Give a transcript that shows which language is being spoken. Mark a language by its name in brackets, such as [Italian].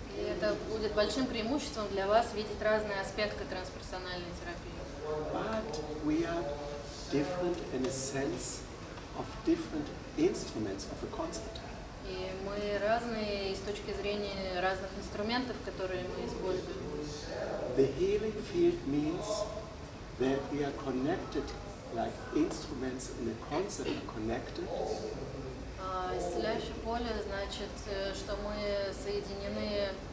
[Russian] И это будет большим преимуществом для вас видеть разные аспекты трансперсональной терапии. [English] But we are different in a sense of different instruments of a concert. [Russian] И мы разные с точки зрения разных инструментов, которые мы используем. [English] The healing field means that we are connected like instruments in a concert are connected. [Russian] Исцеляющее поле значит, что мы соединены.